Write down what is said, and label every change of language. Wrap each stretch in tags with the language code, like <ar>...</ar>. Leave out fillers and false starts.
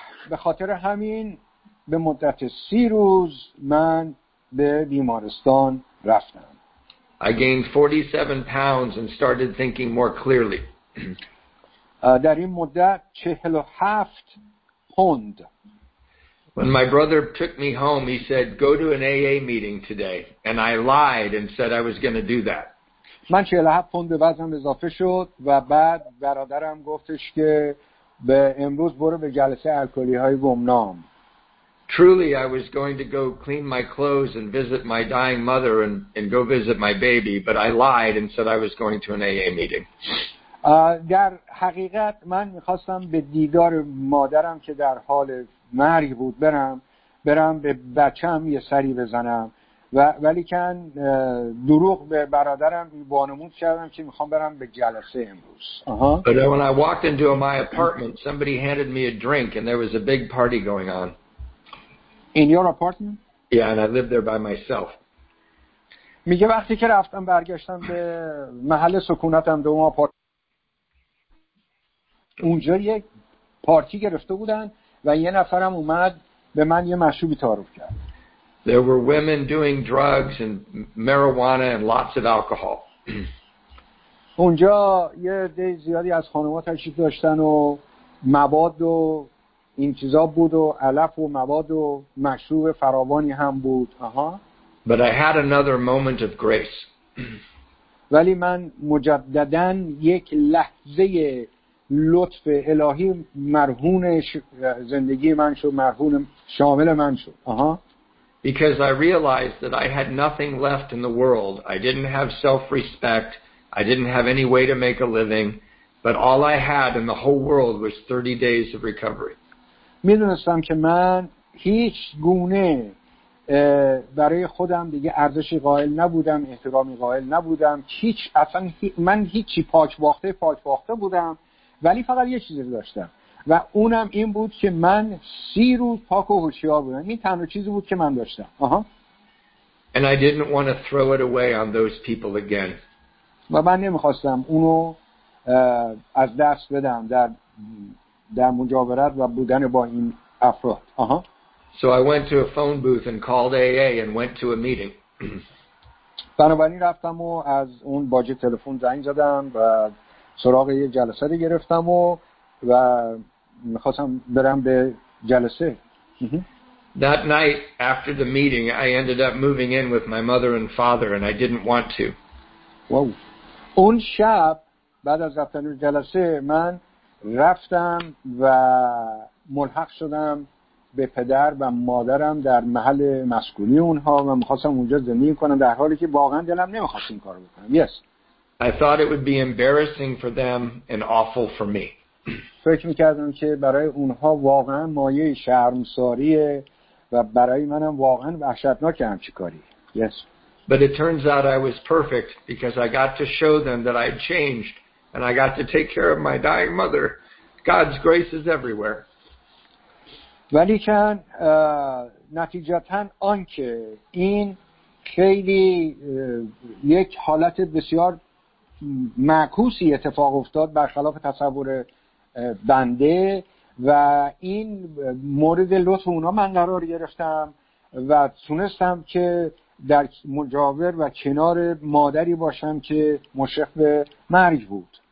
<fa>به خاطر همین به مدت 30 روز من به بیمارستان رفتم.</fa> <en>I gained 47 pounds and started thinking more clearly.</en> <fa>در این مدت 47 پوند.</fa> <en>When my brother took me home, he said, go to an AA meeting today. And I lied and said I was going to do that.</en> <fa>من 47 پوند وزنم اضافه شد و بعد برادرم گفتش که به امروز برو به جلسه الکلی های گمنام.</fa> <en>Truly I was going to go clean my clothes and visit my dying mother and go visit my baby, but I lied and said I was going to an AA meeting.</en> <fa>در حقیقت من می‌خواستم به دیدار مادرم که در حال مرگ بود برم به بچه‌م یه سری بزنم و ولیکن دروغ به برادرم وانمود کردم که می‌خوام برم به جلسه امروز.</fa> <en>But when I walked into my apartment, somebody handed me a drink and there was a big party going on. In your apartment? Yeah, and I lived there by myself.</en> <fa>میگه وقتی که رفتم برگشتم به محل سکونتم به اون آپارتمان اونجا یک پارتی گرفته بودن و یه نفرم اومد به من یه مشروبی تعارف کرد.</fa> <en>There were women doing drugs and marijuana and lots of alcohol.</en> <fa>اونجا یه عده زیادی از خانم‌ها تشریف داشتن و مواد و این چیزا بود و علف و مواد و مشروب فراوانی هم بود.</fa> <en>But I had another moment of grace.</en> <fa>ولی من مجدداً یک لحظه لطف الهی مرهون زندگی من شد، مرهون شامل من شد.</fa> <en>Because I realized that I had nothing left in the world. I didn't have self-respect. I didn't have any way to make a living. But all I had in the whole world was 30 days of recovery.</en> <fa>می‌دونستم که من هیچ گونه برای خودم دیگه ارزشی قائل نبودم، احترامی قائل نبودم، هیچ اصلا من هیچی پاک باخته بودم، ولی فقط یه چیزی داشتم و اونم این بود که من 30 روز پاک و هوشیار بودم. این تنها چیزی بود که من داشتم.</fa> <en>And I didn't want to throw it away on those people again.</en> <fa>و من نمی‌خواستم اونو از دست بدم در مجاورت و بودن با این افراد.</fa> <en>So I went to a phone booth and called AA and went to a meeting.</en> <fa>بنابراین رفتم و از اون باجه تلفن زنگ زدم و سراغ یه جلسه رو گرفتم و می‌خواستم برم به جلسه.</fa> <en>That night after the meeting I ended up moving in with my mother and father and I didn't want to. Wow.</en> <fa>اون شب بعد از رفتن به جلسه من رفتم و ملحق شدم به پدر و مادرم در محل مسکونی اونها و می‌خواستم اونجا زندگی کنم در حالی که واقعا دلم نمی‌خواست این کارو بکنم.</fa> <en>Yes. I thought it would be embarrassing for them and awful for me.</en> <fa>فکر می‌کردم که برای اونها واقعا مایه شرمساریه و برای منم واقعا وحشتناک همچیکاری.</fa> <en>Yes. But it turns out I was perfect because I got to show them that I changed. And I got to take care of my dying mother. God's grace is everywhere.</en> <fa>ولیکن نتیجتاً آنکه این خیلی یک حالت بسیار معکوسی اتفاق افتاد برخلاف تصور بنده و این مورد لطف اونا من قرار گرفتم و تونستم که در مجاور و کنار مادری باشم که مشرف به مرگ بود.</fa>